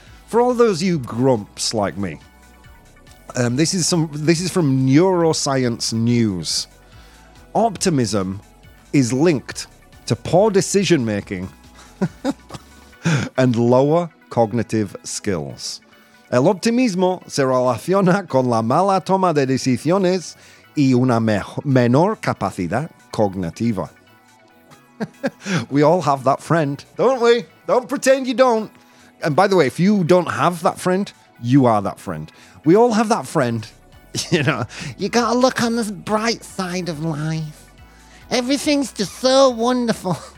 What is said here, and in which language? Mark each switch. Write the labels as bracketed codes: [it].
[en] For all those of you grumps like me, this is from Neuroscience News. Optimism is linked to poor decision-making and lower cognitive skills. [es] El optimismo se relaciona con la mala toma de decisiones y una menor capacidad cognitiva. [en] We all have that friend, don't we? Don't pretend you don't. And by the way, if you don't have that friend, you are that friend. We all have that friend. You know, you gotta look on the bright side of life. Everything's just so wonderful.